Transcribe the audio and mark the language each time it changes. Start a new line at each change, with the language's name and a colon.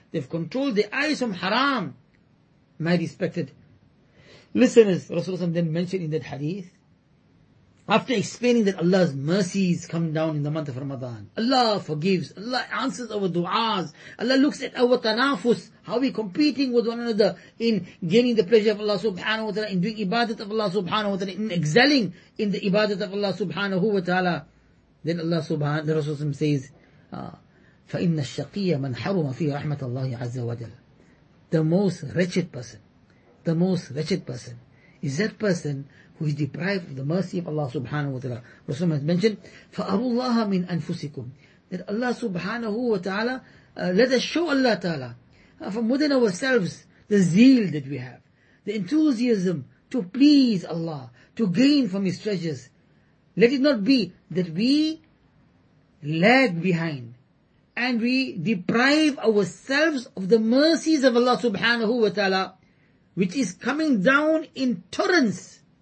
English: They've controlled their eyes from haram. My respected listeners, Rasulullah then mentioned in that hadith, after explaining that Allah's mercies come down in the month of Ramadan, Allah forgives, Allah answers our du'as, Allah looks at our tanafus, how we competing with one another in gaining the pleasure of Allah subhanahu wa ta'ala, in doing ibadat of Allah subhanahu wa ta'ala, in excelling in the ibadat of Allah subhanahu wa ta'ala. Then Allah subhanahu, the Rasulullah says,
Arabic: فَإِنَّ الشَّقِيَّ مَنْ حَرُمَ فِي رَحْمَةَ اللَّهِ عَزَّ وَجَلَ.
English: The most wretched person is that person who is deprived of the mercy of Allah subhanahu wa ta'ala. Rasulullah has mentioned,
Arabic: فَأَرُوا اللَّهَ مِنْ أَنفُسِكُمْ.
English: That Allah subhanahu wa ta'ala, let us show Allah ta'ala from within ourselves the zeal that we have, the enthusiasm to please Allah, to gain from His treasures. Let it not be that we lag behind and we deprive ourselves of the mercies of Allah subhanahu wa ta'ala, which is coming down in torrents.